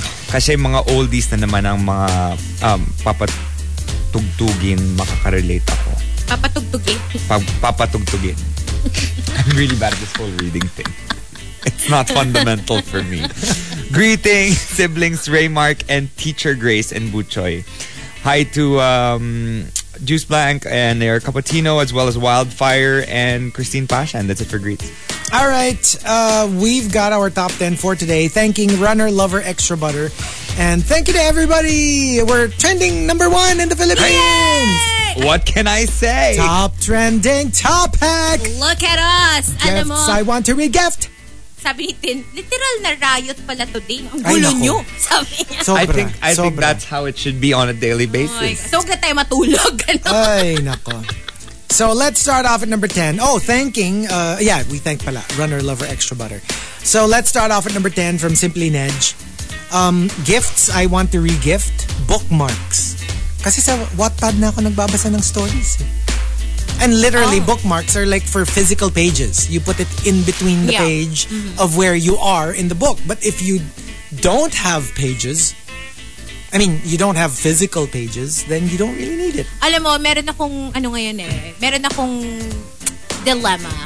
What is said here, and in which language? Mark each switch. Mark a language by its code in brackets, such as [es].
[tl] Kasi mga oldies na naman ang mga papatugtugin, makaka-relate ako. Papatugtugin. [en] I'm really bad at this whole reading thing. It's not fundamental for me. Greetings, siblings Ray, Mark, and Teacher Grace and Buchoy. Hi to Juice Blank and their Capotino, as well as Wildfire and Christine Pasha. And that's it for greets. All right. We've got our top 10 for today. Thanking Runner Lover Extra Butter. And thank you to everybody. We're trending number one in the Philippines. Yay! What can I say? Top trending topic. Look at us. Gifts I want to re-gift. [tl] sabi ni Tin, literal na riot pala today. Ang gulo nyo. Sabi niya. Sobra. [en] I think that's how it should be on a daily basis. Oh, [tl] so, huwag na tayo matulog. Ano? Ay, nako. [en] So let's start off at number 10. Oh, thanking. We thank pala. Runner, lover, extra butter. So let's start off at number 10 from Simply Nedge. Gifts I want to re-gift. Bookmarks. [tl] Kasi sa Wattpad na ako nagbabasa ng stories. [en] And literally, bookmarks are like for physical pages. You put it in between the page of where you are in the book. But if you don't have pages, I mean, you don't have physical pages, then you don't really need it. [tl] Alam mo, meron akong, ano ngayon eh, meron akong dilemma.